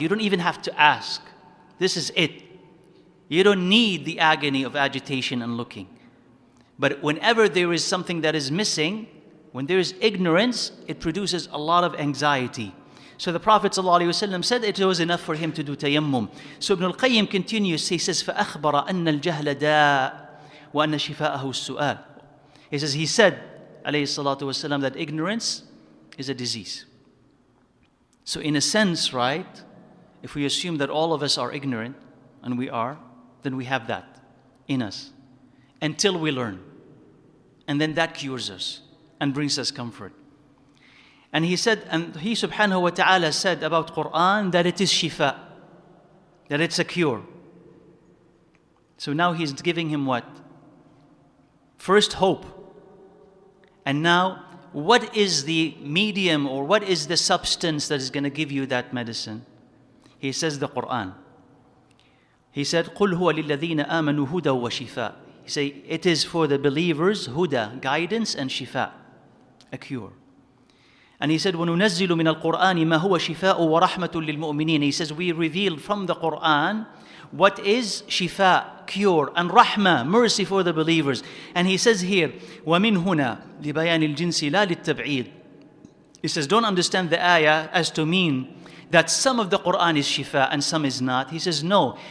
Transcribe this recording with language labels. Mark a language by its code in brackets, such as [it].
[en] You don't even have to ask. This is it. You don't need the agony of agitation and looking. But whenever there is something that is missing, when there is ignorance, it produces a lot of anxiety. So the Prophet ﷺ said it was enough for him to do tayammum. So Ibn al-Qayyim continues, he says, [ar] فَأَخْبَرَ أَنَّ الْجَهْلَ دَاءُ وَأَنَّ شِفَاءَهُ السُّؤَالُ. [en] He says, he said, [ar] عليه الصلاة والسلام, [en] that ignorance is a disease. So in a sense, right, if we assume that all of us are ignorant, and we are, then we have that in us until we learn. And then that cures us and brings us comfort. And he said, and he subhanahu wa ta'ala said about Quran that it is shifa, that it's a cure. So now he's giving him what? First, hope. And now, what is the medium or what is the substance that is going to give you that medicine? He says the Quran. He said, [ar] قُلْ هُوَ لِلَّذِينَ آمَنُوا هُدَى وَشِفَى. [en] He said, it is for the believers, huda, guidance and shifa, a cure. And he said, [ar] وَنُنَزِّلُ مِنَ الْقُرْآنِ مَا هُوَ شِفَاءُ وَرَحْمَةٌ لِلْمُؤْمِنِينَ. [en] He says, we reveal from the Qur'an what is shifa, cure, and rahma, mercy for the believers. And he says here, [ar] وَمِنْ هُنَا لِبَيَانِ الْجِنْسِ لَا لِلْتَبْعِيدِ. [en] He says, don't understand the ayah as to mean that some of the Qur'an is shifa and some is not. He says, no.